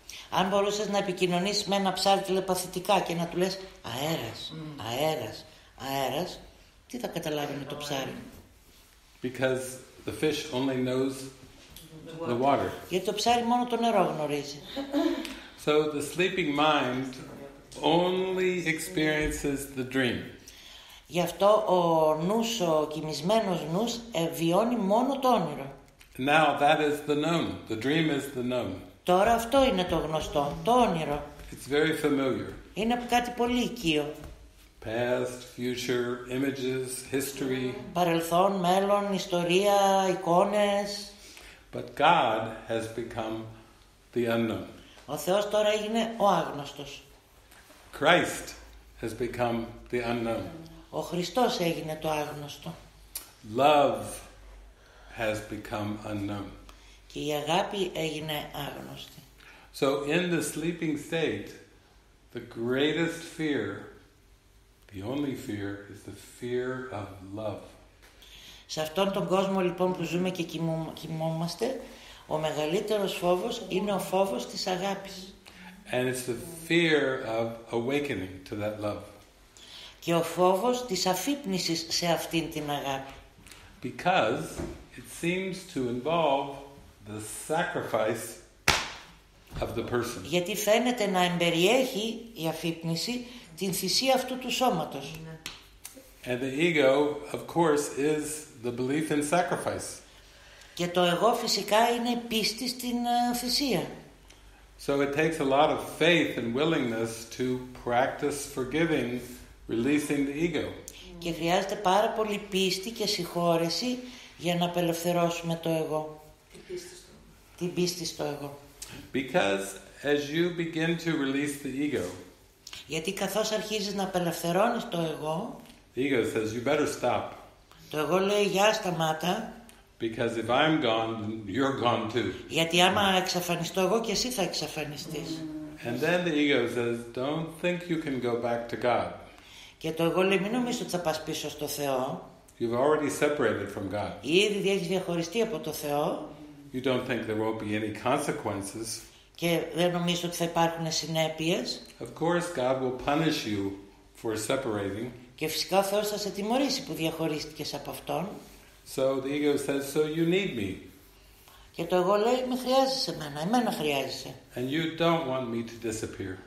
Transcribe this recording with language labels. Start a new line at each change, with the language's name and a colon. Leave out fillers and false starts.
Greek: Αν μπορούσες να επικοινωνήσεις με ένα ψάρι τηλεπαθητικά και να του λες αέρας, αέρας, αέρας, τι θα καταλάβει με το ψάρι?
English: Because the fish only knows the water.
Greek: Γιατί το ψάρι μόνο το νερό γνωρίζει.
English: So the sleeping mind only experiences the dream.
Greek: Γι' αυτό ο νους, ο κοιμισμένος νους, βιώνει μόνο το όνειρο.
English: Now that is the known. The dream is the known.
Greek: Τώρα αυτό είναι το γνωστό, το όνειρο.
English: It's very familiar.
Greek: Είναι κάτι πολύ οικείο.
English: Past, future, images, history.
Greek: Παρελθόν, μέλλον, ιστορία, εικόνες.
English: But God has become the unknown.
Greek: Ο Θεός τώρα έγινε ο άγνωστος.
English: Christ has become the unknown.
Greek: Ο Χριστός έγινε το άγνωστο.
English: Love has become unknown.
Greek: Και η αγάπη έγινε άγνωστη.
English: So in the sleeping state, the greatest fear, the only fear, is the fear of love.
Greek: Σε αυτόν τον κόσμο λοιπόν που ζούμε και κοιμόμαστε, ο μεγαλύτερος φόβος είναι ο φόβος της αγάπης.
English: And it's the fear of awakening to that love.
Greek: Και ο φόβος της αφύπνισης σε αυτήν την αγάπη.
English: Because it seems to involve the sacrifice of the person.
Greek: Γιατί φαίνεται να εμπεριέχει η αφύπνιση την θυσία αυτού του σώματος.
English: And the ego, of course, is the belief in sacrifice.
Greek: Και το εγώ φυσικά είναι η πίστη στην θυσία.
English: So it takes a lot of faith and willingness to practice forgiving, releasing the ego.
Greek: Και χρειάζεται πάρα πολύ πίστη και συγχώρεση για να απελευθερώσουμε το εγώ. Την πίστη στο εγώ.
English: Because as you begin to release the ego.
Greek: Γιατί καθώς αρχίζεις να απελευθερώνεις το εγώ.
English: The ego says you better stop.
Greek: Το εγώ λέει για σταμάτα.
English: Because if I'm gone, you're gone too.
Greek: Γιατί άμα εξαφανιστώ εγώ και εσύ θα εξαφανιστείς.
English: And then the ego says, don't think you can go back to God.
Greek: Και το εγώ λέει, μην νομίζεις ότι θα πας πίσω στο Θεό.
English: You've already separated from God.
Greek: Ήδη έχεις διαχωριστεί από το Θεό.
English: You don't think there won't be any consequences.
Greek: Και δεν νομίζεις ότι θα υπάρχουν συνέπειες.
English: Of course, God will punish you for separating.
Greek: Και φυσικά ο Θεός θα σε τιμωρήσει που διαχωρίστηκες από Αυτόν.
English: So the ego says, so you need me.
Greek: Και το εγώ λέει, με χρειάζεσαι εμένα, εμένα χρειάζεσαι.
English: And you don't want me to disappear.